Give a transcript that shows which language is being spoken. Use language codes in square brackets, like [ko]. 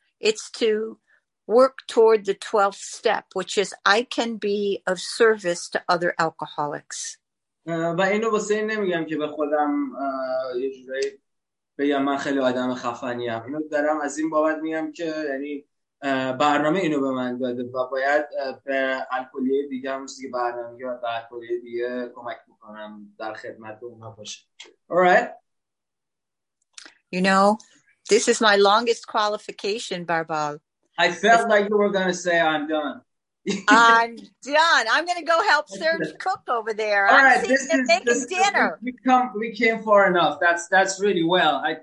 [en] It's to work toward the 12th step, which is I can be of service to other alcoholics. [fa] و اینو واسه این نمیگم که به خودم یه جوری بگم من خیلی آدم خفنی ام. اینو دارم از این بابت میگم که یعنی برنامه اینو به من داده و باید به الکلیه دیگه هم چیزی برنامه یاد به الکلیه دیگه کمک بکنم در خدمت به اونا باشه. [en] Alright. You know, this is my longest qualification, Barbal. I felt like you were going to say, I'm done. I'm done. I'm going to go help Serge cook over there. All right, I'm seeing them making dinner. We came far enough. That's really well.